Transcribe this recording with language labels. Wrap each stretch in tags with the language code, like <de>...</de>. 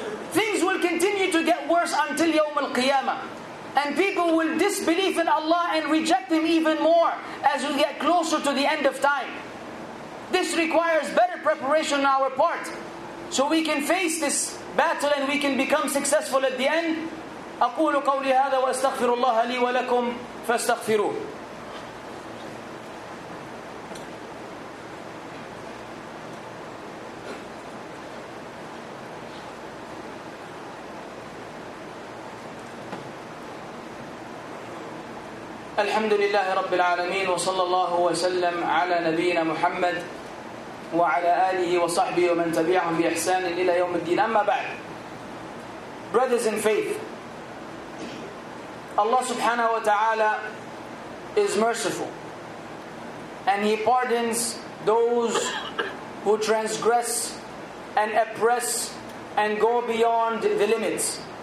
<en>Things will continue to get worse until Yawm al-Qiyamah. And people will disbelieve in Allah and reject Him even more as we get closer to the end of time. This requires better preparation on our part. So we can face this battle and we can become successful at the end.</en> <ar>أقول قولي هذا وأستغفر الله لي ولكم فاستغفروه. الحمد لله رب العالمين وصلى الله وسلم على نبينا محمد وعلى آله وصحبه ومن تبعهم بإحسان إلى يوم الدين. أما بعد,</ar> <en>brothers in faith, Allah subhanahu wa ta'ala is merciful and He pardons those who transgress and oppress and go beyond the limits.</en>